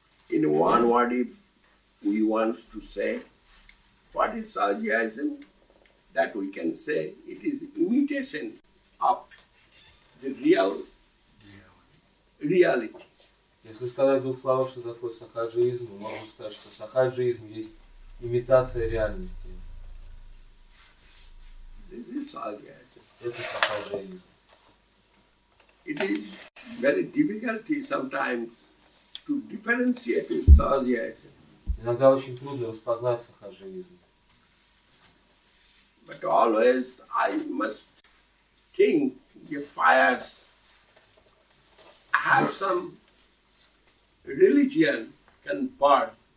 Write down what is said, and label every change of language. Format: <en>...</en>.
<en>In one word, if we want to say what is sahajiyism, that we can say it is imitation of the real reality.</en> <ru>Если сказать в двух словах, что такое сахаджиизм, мы можем сказать, что сахаджиизм есть имитация реальности.</ru> <en>This is sahajiyism.</en> <ru>Это сахаджиизм.</ru> <en>It is very difficult sometimes to differentiate sahajiyism.</en> <ru>Иногда очень трудно распознать сахаджиизм.</ru> <en>But always I must think the fires have some religion can burn.</en>